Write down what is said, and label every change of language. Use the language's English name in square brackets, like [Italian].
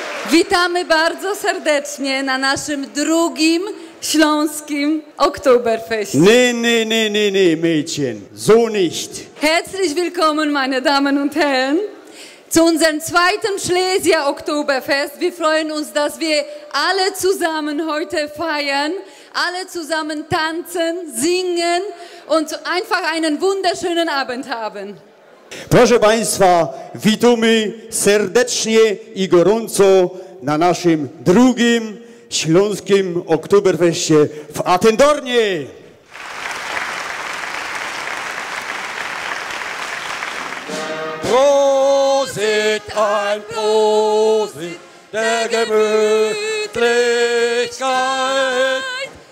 [Polish] Witamy bardzo serdecznie na naszym drugim śląskim Oktoberfest. Nie, [German] Mädchen, so nicht. Herzlich willkommen, meine Damen und Herren, zu unserem zweiten Schlesier Oktoberfest. Wir freuen uns, dass wir alle zusammen heute feiern, alle zusammen tanzen, singen und einfach einen wunderschönen Abend haben. [Polish] Proszę Państwa, witamy serdecznie i gorąco na naszym drugim śląskim Oktoberfeście w Attendornie. [German] Prosit ein Prosit der Gemütlichkeit.